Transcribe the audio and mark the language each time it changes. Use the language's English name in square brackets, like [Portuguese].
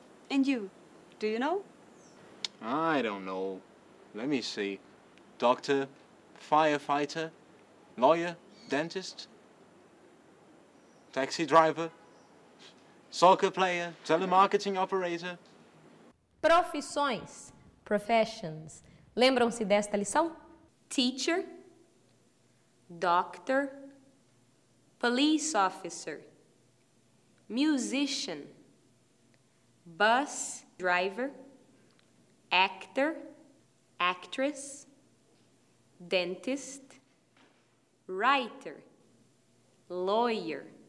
[English] And you, do you know? I don't know. Let me see. Doctor, firefighter, lawyer, dentist, taxi driver, soccer player, telemarketing operator. [Portuguese] Profissões, professions. Lembram-se desta lição? [English] Teacher, doctor, police officer, musician, bus driver, actor, actress, dentist, writer, lawyer,